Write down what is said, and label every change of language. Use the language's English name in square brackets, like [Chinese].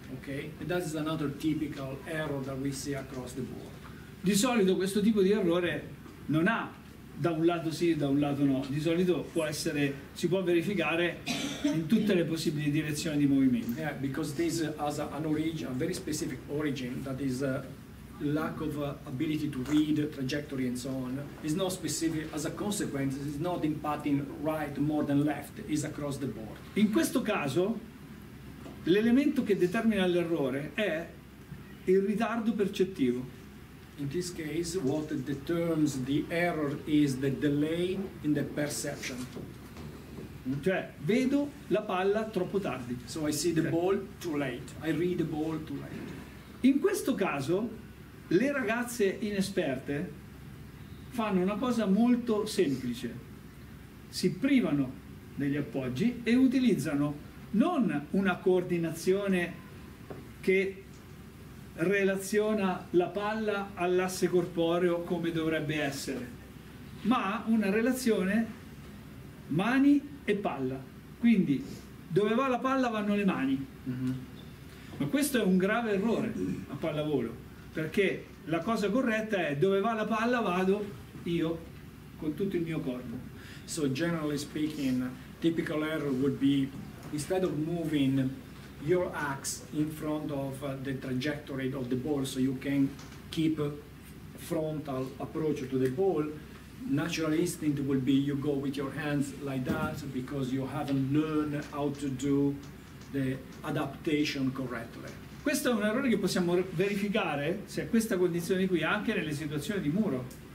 [English] Okay, and that is another typical error that we see across the board. [Italian] Di solito questo tipo di errore non ha da un lato sì e da un lato no, di solito può essere, si può verificare in tutte le possibili direzioni di movimento. [English] Yeah, because this has an origin, a very specific origin, that is a lack of ability to read trajectory and so on. It's not specific, as a consequence, it's not impacting right more than left, it's across the board. [Italian] In questo caso, l'elemento che determina l'errore è il ritardo percettivo. [English] In this case, what determines the error is the delay in the perception. [Italian] Cioè, vedo la palla troppo tardi. [English] So I see the ball too late. I read the ball too late. [Italian] In questo caso, le ragazze inesperte fanno una cosa molto semplice. Si privano degli appoggi e utilizzano non una coordinazione che relaziona la palla all'asse corporeo come dovrebbe essere, ma una relazione mani e palla, quindi dove va la palla vanno le mani. Ma questo è un grave errore a pallavolo, perché la cosa corretta è dove va la palla vado io con tutto il mio corpo. [English] So generally speaking, typical error would be instead of moving your axe in front of the trajectory of the ball so you can keep a frontal approach to the ball, natural instinct will be you go with your hands like that because you haven't learned how to do the adaptation correctly. [Italian] Questo è un errore che possiamo verificare se è questa condizione qui anche nelle situazioni di muro.